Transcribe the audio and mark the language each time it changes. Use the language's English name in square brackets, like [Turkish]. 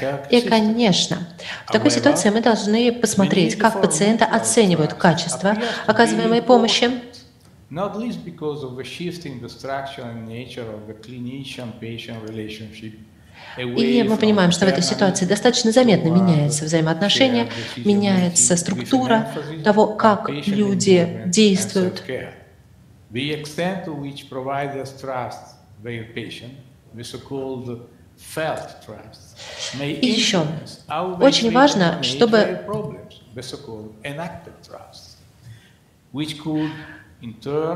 [Russian] И, конечно, в такой ситуации мы должны посмотреть, как пациенты оценивают качество оказываемой помощи. [English] Not least because of a shift in the structure and nature of the clinician-patient relationship. [Russian] И мы понимаем, что в этой ситуации достаточно заметно меняется взаимоотношение, меняется структура того, как люди действуют. [English] The extent to which providers trust their patient, the so-called felt trust, may influence how they treat their problems, the so-called enacted trust, which could in turn